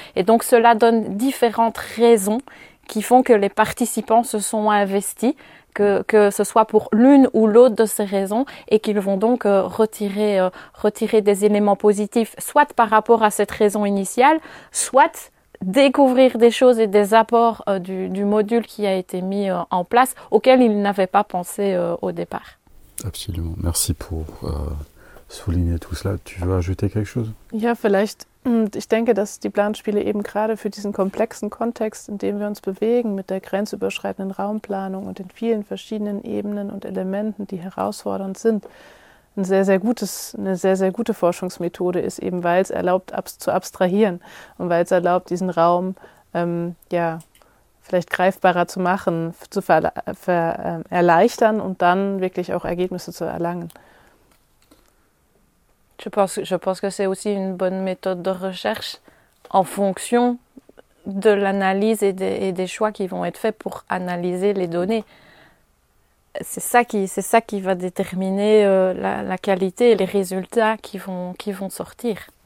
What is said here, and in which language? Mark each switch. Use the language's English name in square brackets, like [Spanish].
[French] Et donc cela donne différentes raisons qui font que les participants se sont investis, que ce soit pour l'une ou l'autre de ces raisons, et qu'ils vont donc retirer des éléments positifs, soit par rapport à cette raison initiale, soit découvrir des choses et des apports du module qui a été mis en place, auxquels ils n'avaient pas pensé au départ. Absolument. Merci pour souligner tout cela. Tu veux ajouter quelque chose? [German] Ja, vielleicht. Ich denke, dass die Planspiele eben gerade für diesen komplexen Kontext, in dem wir uns bewegen, mit der grenzüberschreitenden Raumplanung und den vielen verschiedenen Ebenen und Elementen, die herausfordernd sind, eine sehr, sehr gute Forschungsmethode ist, eben weil es erlaubt, zu abstrahieren und weil es erlaubt, diesen Raum vielleicht greifbarer zu machen, zu erleichtern und dann wirklich auch Ergebnisse zu erlangen. [French] Je pense que c'est aussi une bonne méthode de recherche en fonction de l'analyse et des choix qui vont être faits pour analyser les données. C'est ça qui va déterminer la qualité et les résultats qui vont sortir.